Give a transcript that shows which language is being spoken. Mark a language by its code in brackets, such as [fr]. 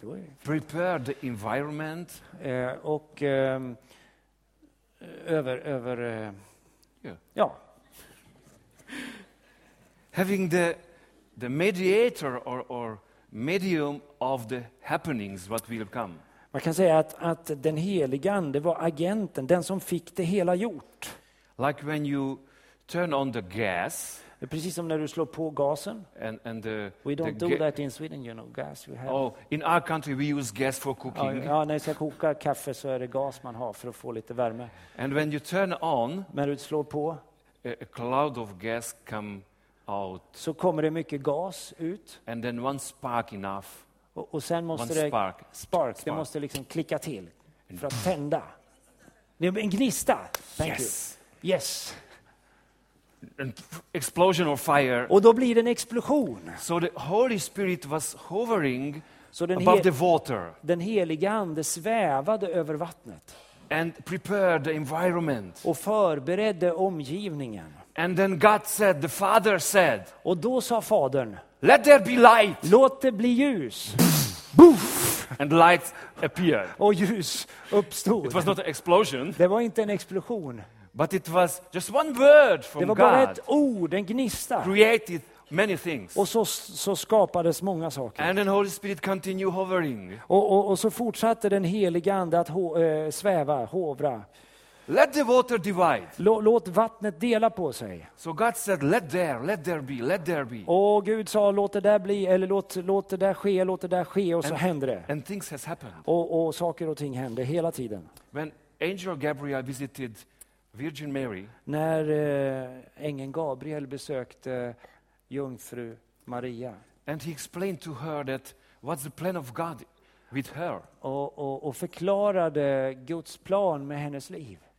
[sv] Det var ju [en] prepared the environment. [sv] Och över [en] yeah. [sv] Ja. [en] Having the mediator or medium of the happenings what will come. [sv] Man kan säga att den helige ande var agenten, den som fick det hela gjort. [en] Like when you turn on the gas. [sv] Precis som när du slår på gasen. [en] And the, we don't the do that in Sweden, you know, gas we have. Oh, in our country we use gas for cooking. [sv] Ja, när jag ska koka kaffe så är det gas man har för att få lite värme. [en] And when you turn on, [sv] när du slår på, [en] a cloud of gas come out. [sv] Så kommer det mycket gas ut. [en] And then one spark enough. [sv] Och sen måste det [en] spark. [sv] Det måste liksom klicka till för att tända. Det är en gnista. Thank [en] yes. You. Yes. Explosion or fire. [sv] Och då blir det en explosion. [en] So the Holy Spirit was hovering above the water. [sv] Den helige ande svävade över vattnet. [en] And prepared the environment. [sv] Och förberedde omgivningen. [en] And then God said, the Father said. [sv] Och då sa fadern, [en] let there be light. [sv] Låt det bli ljus. [en] Boof. And light appeared. [sv] Och ljus uppstod. [en] It was not an explosion. [sv] Det var inte en explosion. [en] But it was just one word from God. [sv] Det var bara ett ord, en gnista. [en] Created many things. [sv] Och så skapades många saker. [en] And the Holy Spirit continued hovering. [sv] Och så fortsatte den helige ande att sväva, hovra. [en] Let the water divide. [sv] Låt vattnet dela på sig. [en] So God said, let there be. [sv] Och Gud sa, låt det där bli, eller låt det där ske, låt det där ske, och så händer det. [en] And things has happened. [sv] Och saker och ting händer hela tiden. [en] When Angel Gabriel visited Virgin Mary. [sv] När ängeln Gabriel besökte jungfru Maria. [en] And he explained to her that What's the plan of God with her? [sv] Och förklarade Guds plan med hennes liv.